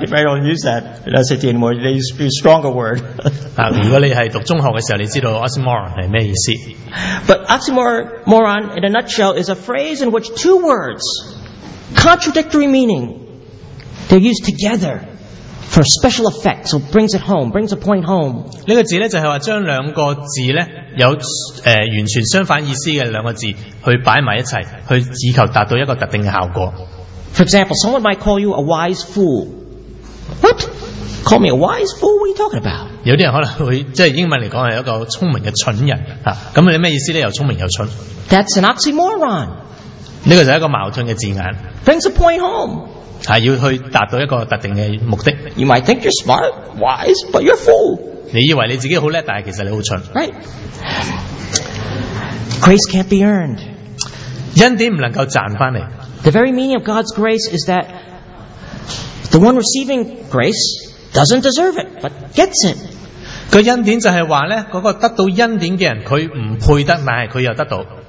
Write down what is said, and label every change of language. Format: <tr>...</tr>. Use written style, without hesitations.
<en>If I don't use that in SAT anymore, they use a stronger word.</en> <zh>如果你是读中学的时候，你知道 oxymoron 是什么意思。</zh> <en>But oxymoron, in a nutshell, is a phrase in which two words, contradictory meaning, they're used together. For special effect, so brings it home, brings a point home.</en> <zh>这个字呢，就是说将两个字呢，有完全相反意思的两个字，去摆在一起，去以求达到一个特定的效果。</zh> <en>For example, someone might call you a wise fool. What? Call me a wise fool? What are you talking about?</en> <zh>有些人可能会，即是英文来说是一个聪明的蠢人。那你什么意思呢？又聪明又蠢。</zh> <en>That's an oxymoron.</en> <zh>这个就是一个矛盾的字眼。</zh> <en>Brings a point home.</en> <zh>是要去达到一个特定的目的。</zh> <en>You might think you're smart, wise, but you're a fool.</en> <zh>你以为你自己很厉害，但其实你很蠢。</zh> <en>Right. Grace can't be earned.</en> <zh>恩典不能够赚回来。</zh> <en>The very meaning of God's grace is that the one receiving grace doesn't deserve it, but gets it.</en> <zh>个恩典就是说呢，那个得到恩典的人，他不配得，但是他又得到。</zh>